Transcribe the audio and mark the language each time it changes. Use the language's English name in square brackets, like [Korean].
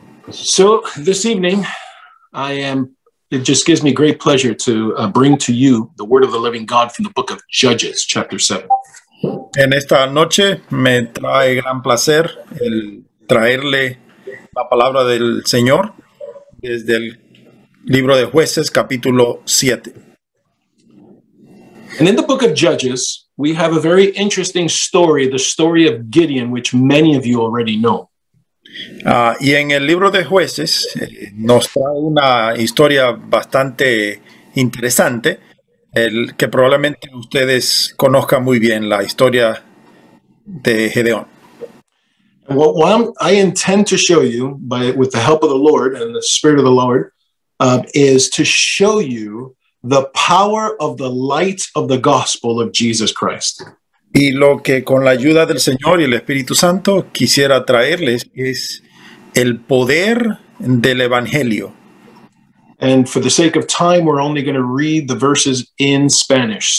[English] So this evening, I am, it just gives me great pleasure to bring to you the word of the living God from the book of Judges, chapter 7. [Spanish] En esta noche me trae gran placer el traerle la palabra del Señor desde el libro de Jueces, capítulo 7. [English] And in the book of Judges, we have a very interesting story, the story of Gideon, which many of you already know. [Spanish] Y en el libro de Jueces nos trae una historia bastante interesante, el que probablemente ustedes conozcan muy bien, la historia de Gedeón. [English] What I intend to show you, by with the help of the Lord and the Spirit of the Lord, is to show you the power of the light of the gospel of Jesus Christ. [Spanish] Y lo que con la ayuda del Señor y el Espíritu Santo quisiera traerles es el poder del Evangelio. [English] And for the sake of time, we're only going to read the verses in Spanish.